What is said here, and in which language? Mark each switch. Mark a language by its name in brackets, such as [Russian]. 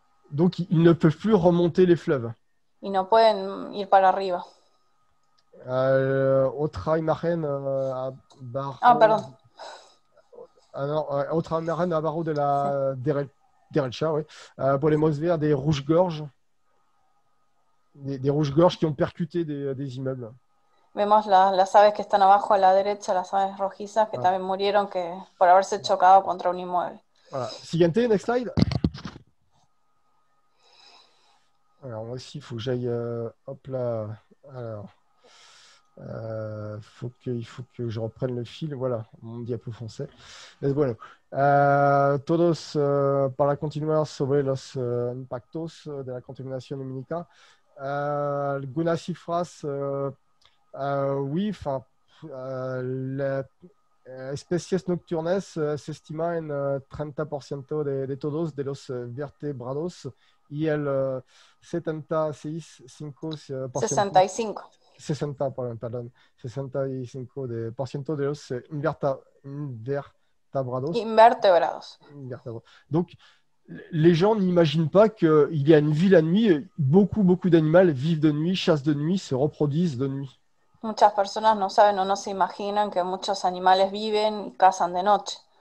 [French] Donc, ils ne peuvent plus remonter les fleuves. [Spanish] Y no pueden ir para arriba. Otra imagen, Ah, perdón. abajo de la derecha. Derecha, oui. [French] Pour les mosses vertes, des rouges-gorges. Des rouges-gorges qui ont percuté des immeubles. [Spanish] Vemos las aves que están abajo a la derecha, las aves rojizas que también murieron por haberse chocado contra un inmueble. [French] Voilà. [Spanish] Siguiente, [English] next slide. [French] Alors, moi aussi, il faut que j'aille. Hop là. Alors. Il faut que je reprenne le fil. Voilà, mon diapo français. [Spanish] Mais bueno. Todos para continuar sobre los impactos de la contaminación lumínica. Algunas cifras, [French] oui, enfin, [Spanish] las especies nocturnas se estima en 30% de todos de los vertebrados y el 76,5%. 65. 60, pardon, 65 de por ciento de los invertebrados. Invertebrados. [French] Donc, les gens n'imaginent pas qu'il y a une vie la nuit. Beaucoup, beaucoup d'animaux vivent de nuit, chassent de nuit, se reproduisent de nuit. [Spanish] Muchas personas no saben o no se imaginan que muchos animales viven y cazan de noche.